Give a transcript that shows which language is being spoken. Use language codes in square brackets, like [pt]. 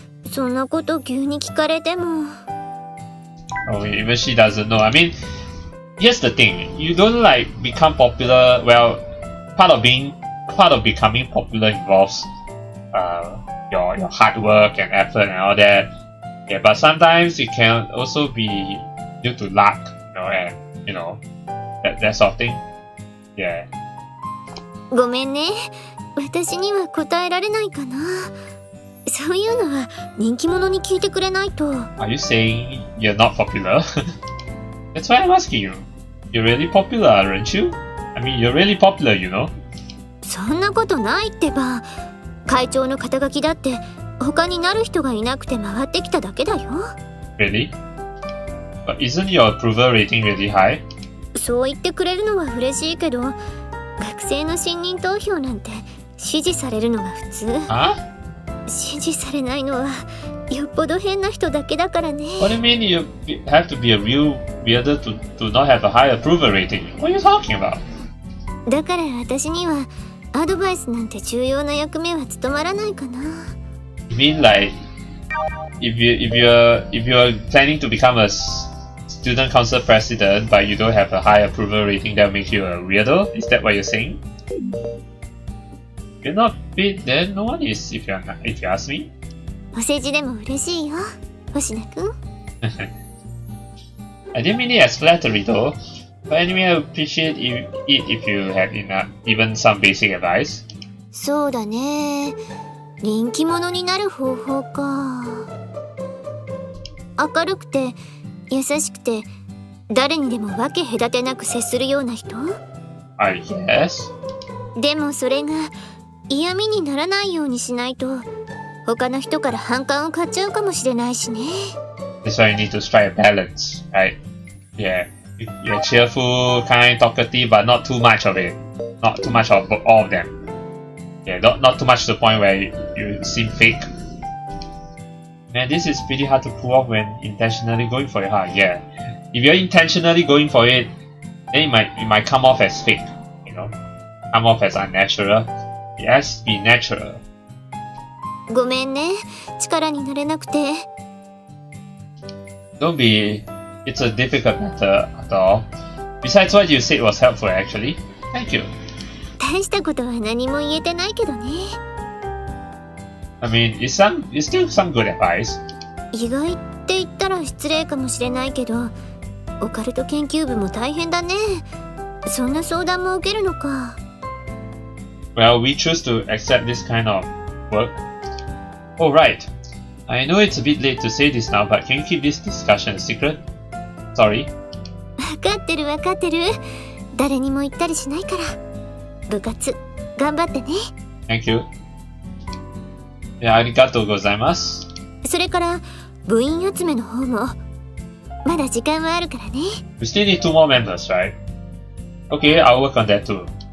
[ja] そんなこと急に聞かれても。 [en] Oh, even she doesn't know. I mean, here's the thing. You don't like become popular. Well, part of becoming popular involves your hard work and effort and all that. Yeah, but sometimes it can also be due to luck, and that sort of thing. Yeah. [ja] ごめんね。私には答えられないかな。そういうのは人気者に聞いてくれないと。 [en] Are you saying you're not popular? That's why I'm asking you. You're really popular, aren't you? I mean, you're really popular, you know? [ja] そんなことないってば。会長の肩書きだって他になる人がいなくて回ってきただけだよ。 [en] Really? But isn't your approval rating really high? [ja] そう言ってくれるのは嬉しいけど、学生の信任投票なんて支持されるのが普通。 [en] Huh? [ja] 支持されないのはよっぽど変な人だけだからね。 [en] What do you mean you have to be a real weirdo to not have a high approval rating? What are you talking about? [ja] だから私にはアドバイスなんて重要な役目は務まらないかな。 [en] You mean like if you're planning to become a student council president but you don't have a high approval rating that makes you a weirdo? Is that what you're saying? You're not fit, then no one is, if you ask me. [ja] お世辞でも嬉しいよ、星名くん。 [en] I didn't mean it as flattery though. But anyway, I appreciate it if you have even some basic advice. [ja] そうだね。人気者になる方法か。明るくて、優しくて、誰にでも分け隔てなく接するような人？ [en] I guess. [ja] でもそれが、嫌味にならないようにしないと他の人から反感を買っちゃうかもしれないしね。 [en] That's why you need to strike a balance, right? Yeah, you're cheerful, kind, talkative, but not too much of it. Not too much of all of them. Yeah, not too much to the point where you seem fake. Man, this is pretty hard to pull off when intentionally going for it, huh? Yeah. If you're intentionally going for it, then it might come off as fake, you know? Come off as unnatural. Yes, be natural. [ja] ごめんね、力になれなくて。 [en] Don't be. It's a difficult matter at all. Besides, what you said was helpful, actually. Thank you. [ja] 大したことは何も言えてないけどね。 [en] I mean, it's still some good advice. [ja] 意外って言ったら失礼かもしれないけど、オカルト研究部も大変だね。そんな相談も受けるのか。 [en] Well, we choose to accept this kind of work. Oh, right. I know it's a bit late to say this now, but can you keep this discussion a secret? Sorry. [ja] わかってる。誰にも言ったりしないから。部活、頑張ってね。 [en] Thank you. Yeah, [ja] ありがとうございます。それから、部員集めの方も。まだ時間はあるからね。 [en] We still need two more members, right? Okay, I'll work on that too.